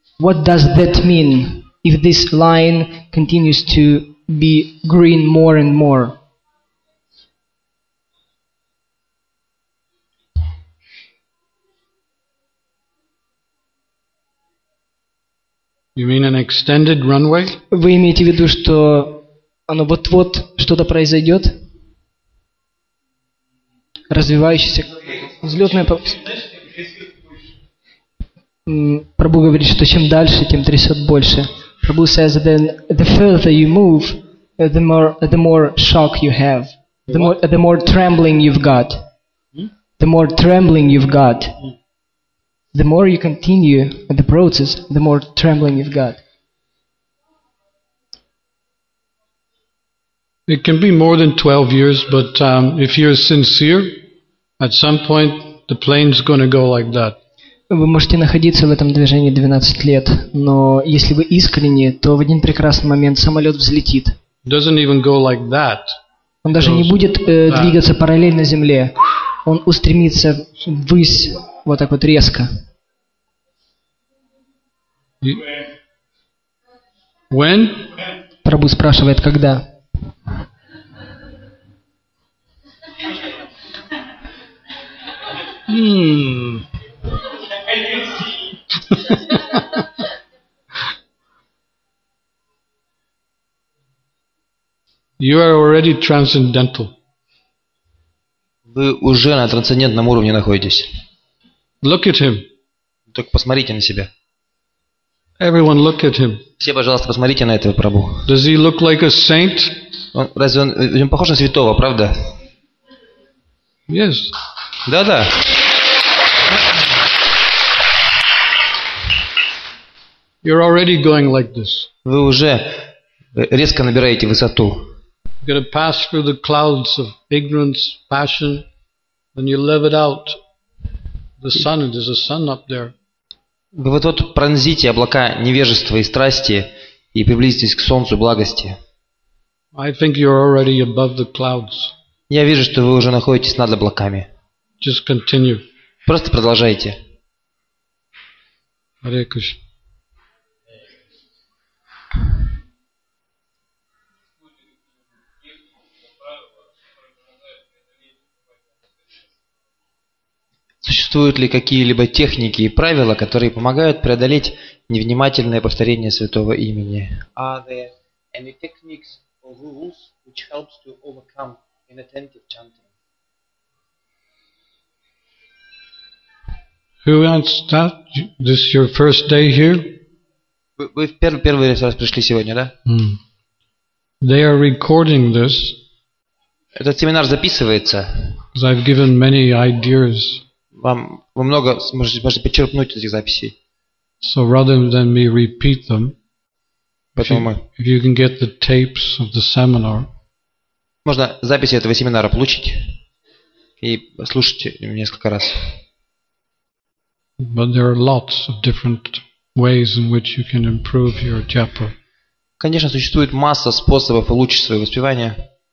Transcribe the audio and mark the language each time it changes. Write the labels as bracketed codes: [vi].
[en] What does that mean, if this line continues to be green more and more? You mean an extended runway? [ru] Вы имеете в виду, что оно вот-вот что-то произойдет? Развивающийся взлетная полоса. Прабху говорит, что чем дальше, тем трясет больше. [en] Прабху says that the further you move, the more shock you have, the more trembling you've got, the more trembling you've got. The more you continue the process, the more trembling you've got. It can be more than 12 years, but if you're sincere, at some point the plane's going to go like that. [ru] Вы можете находиться в этом движении 12 лет, но если вы искренне, то в один прекрасный момент самолет взлетит. [en] Doesn't even go like that. [ru] Он даже не будет двигаться параллельно земле. Он устремится ввысь. Вот так вот резко. [en] When? [ru] Прабу спрашивает, когда? [en] You are already transcendental. [ru] Вы уже на трансцендентном уровне находитесь. [en] Look at him. [ru] Только посмотрите на себя. [en] Everyone look at him. [ru] Все, пожалуйста, посмотрите на этого Прабу. [en] Does he look like a saint? [ru] Он похож на святого, правда? [en] Yes. [ru] Да-да. [en] You're already going like this. [ru] Вы уже резко набираете высоту. [en] You're going to pass through the clouds of ignorance, passion, and you live it out. The sun, there's a sun up there. [ru] Вы вот-вот пронзите облака невежества и страсти и приблизитесь к солнцу благости. [en] I think you're already above the clouds. [ru] Я вижу, что вы уже находитесь над облаками. [en] Just continue. [ru] Просто продолжайте. [en] Hare Krishna. [ru] Существуют ли какие-либо техники и правила, которые помогают преодолеть невнимательное повторение святого имени? [en] Are there any techniques or rules which helps to overcome inattentive chanting? Who wants that? This is your first day here? [ru] Вы в первый раз пришли сегодня, да? [en] They are recording this. [ru] Этот семинар записывается. [en] Because I've given many ideas. [ru] Вам вы много можете почерпнуть этих записей. [en] So rather than me repeat them, if you can get the tapes of the seminar, [ru] можно записи этого семинара получить и слушать несколько раз. [en] But there are lots of different ways in which you can improve your japa. [ru] Конечно, существует масса способов улучшить свое воспевание.